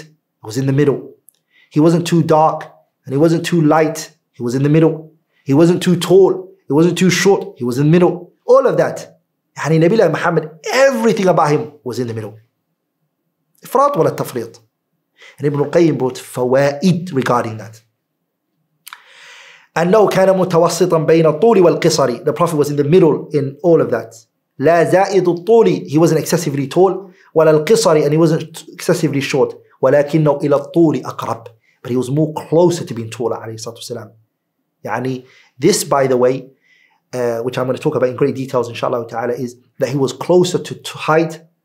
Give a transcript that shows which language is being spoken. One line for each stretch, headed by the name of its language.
English: It was in the middle. He wasn't too dark and he wasn't too light. He was in the middle. He wasn't too tall. He wasn't too short. He was in the middle. All of that.
Arabic: يعني نبي الله محمد,
English: everything about him was in the middle.
Arabic: إفراط ولا التفريط.
English: And Ibn al-Qayyim brought fawa'id regarding that. And no,
Arabic: كان متوسطا بين الطول والقصري.
English: The Prophet was in the middle in all of that.
Arabic: لا زائد الطول.
English: He wasn't excessively tall.
Arabic: ولا القصري.
English: And he wasn't excessively short.
Arabic: ولكنه إلى الطول أقرب.
English: But he was more closer to being taller,
Arabic: عليه الصلاة والسلام.
English: يعني, this, by the way, which I'm going to talk about in great details, inshallah ta'ala, is that he was closer to height.